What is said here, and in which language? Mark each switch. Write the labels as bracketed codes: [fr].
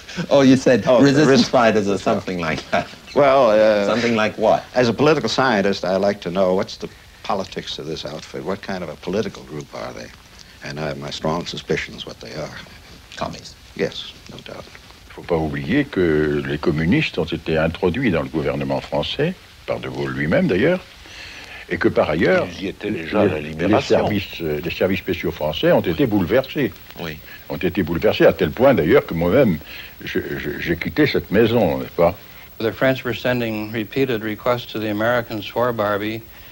[en] Oh, you said resistance fighters or something like that. Well, something like what? As a political scientist, I like to know what's the politics of this outfit. What kind of a political group are they? And I have my strong suspicions what they are. Commies. Yes, no doubt. [fr] Il ne faut pas oublier que les communistes ont été introduits dans le gouvernement français, par De Gaulle lui-même d'ailleurs, et que par ailleurs, ils y étaient déjà à la libération. Les services spéciaux français ont été bouleversés. Oui. Ont été bouleversés à tel point d'ailleurs que moi-même, j'ai quitté cette maison, n'est-ce pas? [en] The French were sending repeated requests to the Americans for Barbie.